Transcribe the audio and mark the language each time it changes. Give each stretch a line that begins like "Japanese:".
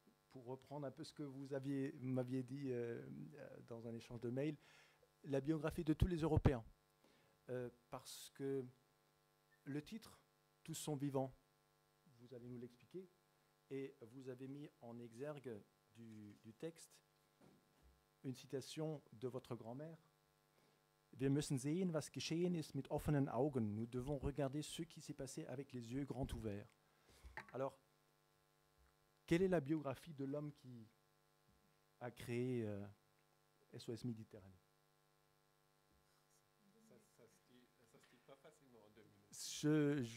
French: Pour reprendre un peu ce que vous m'aviez dit dans un échange de mails, la biographie de tous les Européens. Parce que le titre, Tous sont vivants, vous allez nous l'expliquer, et vous avez mis en exergue du texte une citation de votre grand-mère.
German: Wir müssen sehen, was geschehen ist mit offenen Augen.
French: Nous devons regarder ce qui s'est passé avec les yeux grands ouverts. Alors, quelle est la biographie de l'homme qui a créé SOS Méditerranée? Ça se dit pas facilement en 2 minutes.